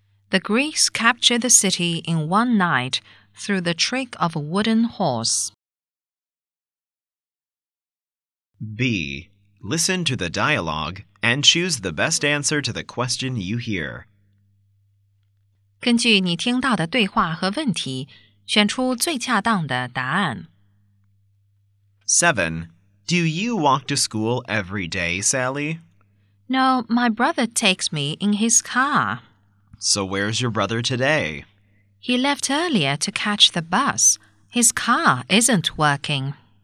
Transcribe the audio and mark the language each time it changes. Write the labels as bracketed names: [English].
[English] The Greeks captured the city in one night. Through the trick of a wooden horse. B. Listen to the dialogue and choose the best answer to the question you hear. [Chinese] 根据你听到的对话和问题，选出最恰当的答案。 [English] 7. Do you walk to school every day, Sally? No, my brother takes me in his car. So where's your brother today? He left earlier to catch the bus. His car isn't working.